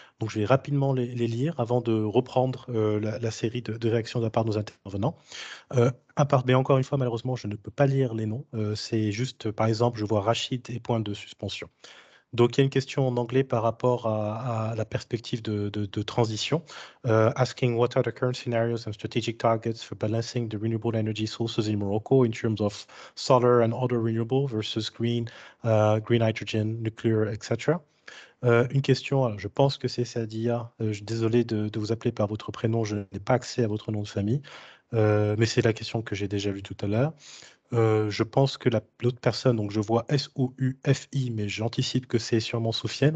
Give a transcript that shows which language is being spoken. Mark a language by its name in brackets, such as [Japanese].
[French] Donc, je vais rapidement les lire avant de reprendre la série de réactions de la part de nos intervenants. Mais encore une fois, malheureusement, je ne peux pas lire les noms. C'est juste, par exemple, je vois Rachid et point de suspension. Donc, il y a une question en anglais par rapport à la perspective de transition. [English] Asking what are the current scenarios and strategic targets for balancing the renewable energy sources in Morocco in terms of solar and other renewable versus green hydrogen, nuclear, etc. [French] Une question, alors, je pense que c'est Sadia. Désolé de vous appeler par votre prénom, je n'ai pas accès à votre nom de famille. Mais c'est la question que j'ai déjà lue tout à l'heure. Je pense que l'autre personne, donc je vois S-O-U-F-I, mais j'anticipe que c'est sûrement Soufiane.